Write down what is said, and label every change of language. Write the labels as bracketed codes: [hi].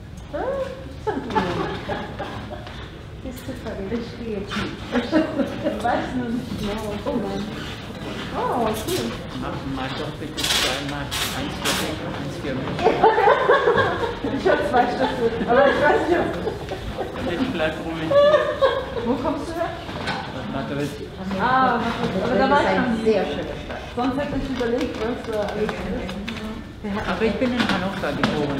[de] Ich schaffe nicht mehr. Ist zu verrückt, ich Oh, cool. [en] My topic is very much Einstein. [de] Ich habe zwei Stück, aber ich weiß nicht. Ich wo kommst du her? Madrid. Ah, Madrid. Aber da war ich schon sehr schön. Sonst hätte ich überlegt, was du alles willst. Aber ich bin in Hannover geboren.